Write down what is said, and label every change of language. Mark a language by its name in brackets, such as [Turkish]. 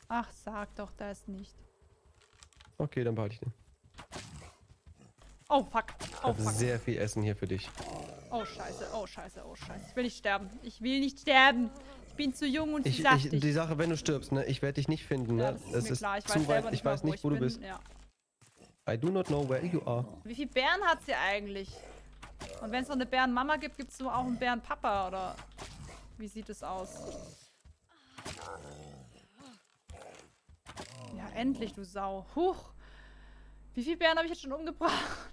[German] Ach, sag doch das nicht. Okay, dann behalte ich den. [English] Oh, fuck. Oh, fuck. [German] Ich habe sehr viel Essen hier für dich. Oh, scheiße. Ich will nicht sterben. Ich bin zu jung und zu saftig. Die Sache, wenn du stirbst, ne, ich werde dich nicht finden. Ne? Ja, das ist mir klar. Ich weiß nicht, wo du bist. Ja. [English] I do not know where you are. [German] Wie viele Bären hat sie eigentlich? Und wenn es noch eine Bärenmama gibt, gibt es nur auch einen Bärenpapa, oder? Wie sieht es aus? Ja, endlich, du Sau. Huch. Wie viele Bären habe ich jetzt schon umgebracht?